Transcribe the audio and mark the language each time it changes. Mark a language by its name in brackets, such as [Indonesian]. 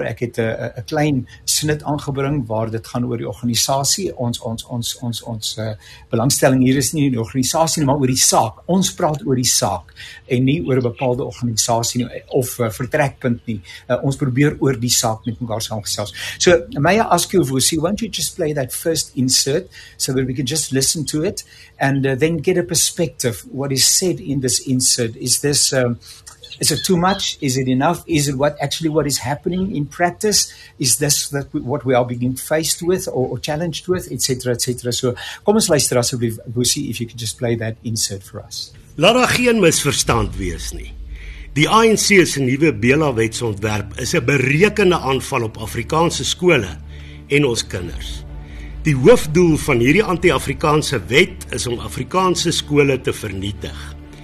[Afrikaans] Ek het 'n klein snit aangebring waar dit gaan oor die organisasie. Ons belangstelling hier is nie in die organisasie nie, maar oor die saak. Ons praat oor die saak en nie oor 'n bepaalde organisasie nie, of vertrekpunt nie. Ons probeer oor die saak met mekaar saamgesels. [English] So, may I ask you, Vusi, won't you just play that first insert so that we can just listen to it and then get a perspective what is said in this insert. Is it too much? Is it enough? Is it what is happening in practice? Is this what we are being faced with or challenged with, etc., etc.? So, [Afrikaans] kom ons luister asseblief, [English] Boosie, if you could just play that insert for us. [Afrikaans] Laat daar geen misverstand wees nie. Die ANC se nuwe Bela-wetsontwerp is 'n berekende aanval op Afrikaanse skole en ons kinders. Die hoofdoel van hierdie anti-Afrikaanse wet is om Afrikaanse skole te vernietig.